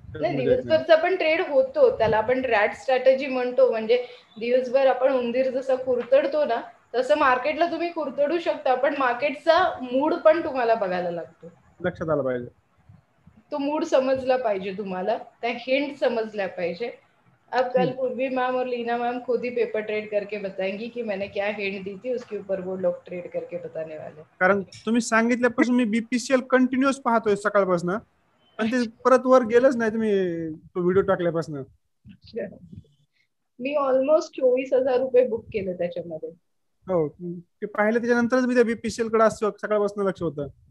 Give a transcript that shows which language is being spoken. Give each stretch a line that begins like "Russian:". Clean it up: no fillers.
Marathi: दिवसभरचा पण ट्रेड होतो, त्याला आपण रॅट स्ट्रॅटेजी म्हणतो. म्हणजे दिवसभर आपण उंदीर जसं कुरतडतो ना, तसं मार्केटला तुम्ही कुरतडू शकता, पण मार्केटचा मूड पण तुम्हाला बघायला लागतो. लक्षात आलं पाहिजे, तो मूड समजला पाहिजे तुम्हाला, त्या हिंट समजल्या पाहिजे.
Hindi: अब कल पूर्वी मॅम और लीना मॅम खुद ही पेपर ट्रेड करके बताएंगी कि मैंने क्या हिंट दी थी, उसके ऊपर वो लोग ट्रेड करके बताने वाले.
Marathi: कारण तुम्ही सांगितल्यापासून मी बीपीसीएल कंटिन्यूअस पाहतोय सकाळपासून, पण ते परत वर गेलंच नाही तुम्ही तो व्हिडिओ टाकल्यापासून. मी ऑलमोस्ट 24,000 रुपये बुक केले त्याच्यामध्ये. हो ते पाहिलं त्याच्यानंतरच मी त्या बीपीसीएल कडे असतो सकाळपासून लक्ष होतं.